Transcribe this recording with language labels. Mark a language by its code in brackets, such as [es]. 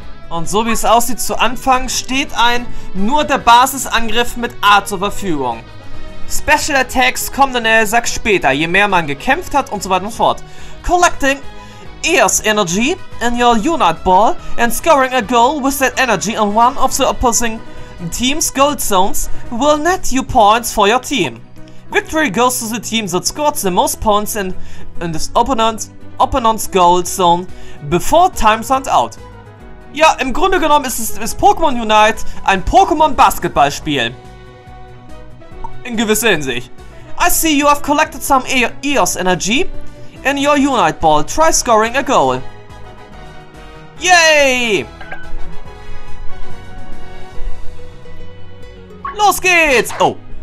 [de] Und so wie es aussieht zu Anfang, steht ein nur der Basisangriff mit A zur Verfügung. Special Attacks kommen dann eher sagt später, je mehr man gekämpft hat und so weiter und fort. [en] Collecting Aeos Energy in your Unite Ball and scoring a goal with that energy in one of the opposing team's gold zones will net you points for your team. Victory goes to the team that scored the most points in this opponent's gold zone before time runs out. [de] Ja, im Grunde genommen ist Pokémon Unite ein Pokémon-Basketballspiel. In gewisser Hinsicht. [en] I see you have collected some Aeos Energy in your Unite Ball. Try scoring a goal. Yay! [de] Los geht's! Oh.